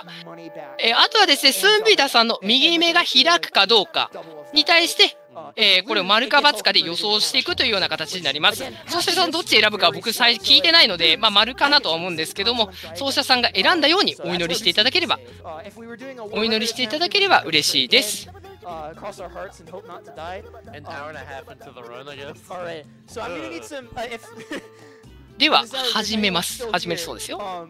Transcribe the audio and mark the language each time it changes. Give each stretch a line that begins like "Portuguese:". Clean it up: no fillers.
Japanese: あとはですね、スンビダさんの右目が開くかどうかに対して、これを丸か×かで予想していくというような形になります。奏者さんどっち選ぶか僕聞いてないので、まあ、丸かなとは思うんですけども、奏者さんが選んだようにお祈りしていただければ嬉しいです。
English: Cross our hearts and hope not to die. An hour and a half into the run, I guess. All right. So I'm gonna need some.
Japanese: If では始めるそうですよ。